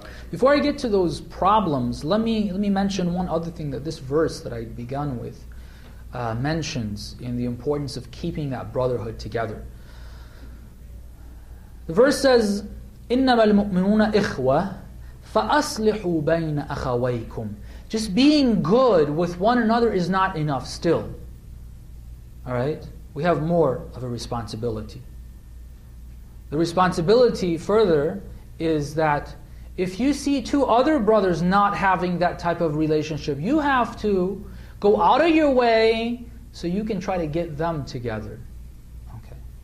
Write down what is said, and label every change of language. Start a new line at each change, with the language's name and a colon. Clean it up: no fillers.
English: Before I get to those problems, let me mention one other thing that this verse that I began with mentions in the importance of keeping that brotherhood together. The verse says,
Arabic: إِنَّمَا الْمُؤْمِنُونَ إِخْوَةً فَأَصْلِحُوا بَيْنَ أَخَوَيْكُمْ.
English: Just being good with one another is not enough still. Alright? We have more of a responsibility. The responsibility further is that if you see two other brothers not having that type of relationship, you have to go out of your way so you can try to get them together. Okay.